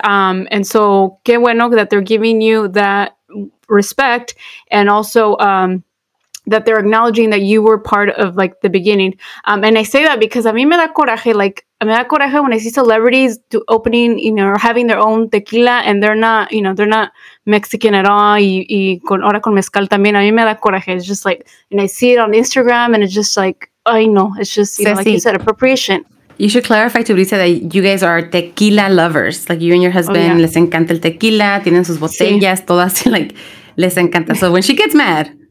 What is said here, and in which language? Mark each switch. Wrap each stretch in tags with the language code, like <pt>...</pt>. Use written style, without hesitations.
<en>And so</en> <es>qué bueno</es> <en>that they're giving you that respect, and also that they're acknowledging that you were part of like the beginning. And I say that because</en> <es>a mí me da coraje,</es> <en>like</en> <es>me da coraje</es> <en>when I see celebrities to opening, you know, or having their own tequila, and they're not, you know, they're not Mexican at all.</en> <es>Y con ahora con mezcal también, a mí me da coraje.</es> <en>It's just like, and I see it on Instagram, and it's just like, I know, it's just, you know, like you said, appropriation. You should clarify to Bricia that you guys are tequila lovers. Like, you and your husband, oh, yeah,</en> <es>les encanta el tequila, tienen sus botellas, sí, todas,</es> <en>like,</en> <es>les encanta.</es> <en>So when she gets mad.</en>